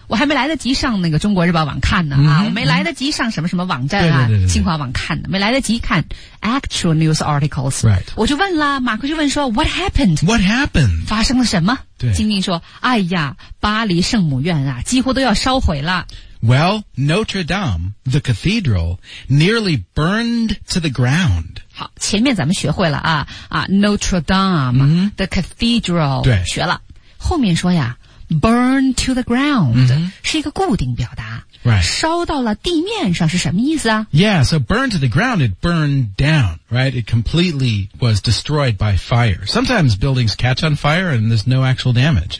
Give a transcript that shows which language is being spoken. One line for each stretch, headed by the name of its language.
Chinese: 我还没来得及上那个中国日报网看呢、 mm-hmm. 啊，我没来得及上什么什么网站啊，对对对对对新华网看呢，没来得及看
English: actual news articles. Right.
Chinese: 我就问了，马克就问说 ，
English: What happened? What happened?
Chinese: 发生了什么？晶晶说：“哎呀，巴黎圣母院啊，几乎都要烧毁了。”
English: Well, Notre Dame, the cathedral, nearly burned to the ground.
Chinese: 好，前面咱们学会了啊啊 ，Notre Dame,、 mm-hmm.
English: the cathedral，
Chinese: 对，学了。后面说呀 ，
English: burn to the ground、 mm-hmm.
Chinese: 是一个固定表达。
English: Right.
Chinese: 烧到了地面上是什么意思啊
English: ？Yeah, so burn to the ground, it burned down, right? It completely was destroyed by fire. Sometimes buildings catch on fire and there's no actual damage.